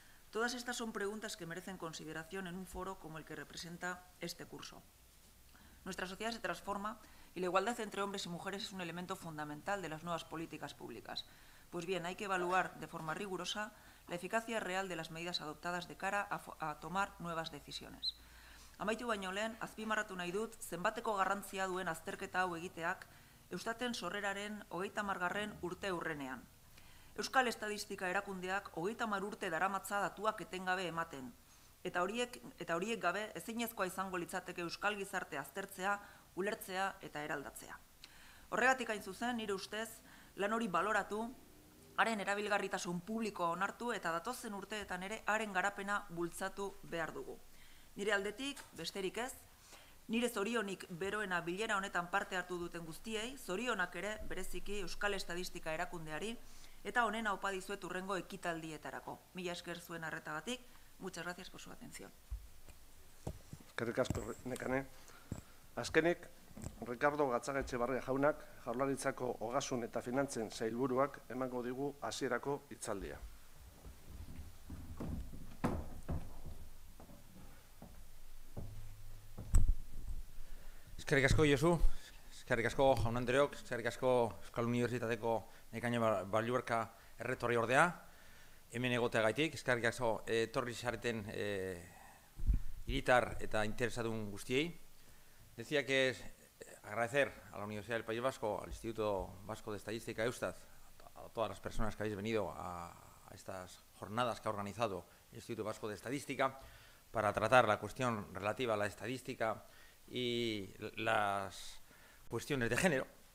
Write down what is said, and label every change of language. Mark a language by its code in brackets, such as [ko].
[es] Todas estas son preguntas que merecen consideración en un foro como el que representa este curso. Nuestra sociedad se transforma y la igualdad entre hombres y mujeres es un elemento fundamental de las nuevas políticas públicas. Pues bien, hay que evaluar de forma rigurosa la eficacia real de las medidas adoptadas de cara a tomar nuevas decisiones. [eu] Amaitu baino lehen, azpimarratu nahi dut, zenbateko garrantzia duen azterketa hau egiteak, Eustaten sorreraren 30. Urte urrenean. Euskal Estadistika erakundeak 30 urte daramatza datuak etengabe ematen, eta horiek gabe ezinezkoa izango litzateke Euskal Gizarte aztertzea, ulertzea eta eraldatzea. Horregatik hain zuzen, nire ustez, lan hori baloratu, haren erabilgarritasun publikoa onartu eta datozen urteetan ere haren garapena bultzatu behar dugu. Nire aldetik, besterik ez, nire zorionik beroena bilera honetan parte hartu duten guztiei, zorionak ere bereziki Euskal Estadistika erakundeari, eta honena opa dizuet urrengo ekitaldietarako. Mila esker zuen arretagatik, [es] muchas gracias por su atención. [eu] Eskerrik asko, Nekane. Azkenik, Ricardo Gatzagaetxebarria jaunak, Jaurlaritzako Ogasun eta Finantzen sailburuak emango digu hasierako hitzaldia. Eskerrik asko, Josu, eskerrik asko, Jaun Andreok, eskerrik asko Euskal Unibertsitateko Nekane Baiorka erretorri ordea, hemen egoteagaitik, eskerrik asko etorri zareten hiritar eta interesadun guztiei. [es] Decía que es agradecer a la Universidad del País Vasco, al Instituto Vasco de Estadística Eustat, a todas las personas que habéis venido a estas jornadas que ha organizado el Instituto Vasco de Estadística para tratar la cuestión relativa a la estadística y las cuestiones de género.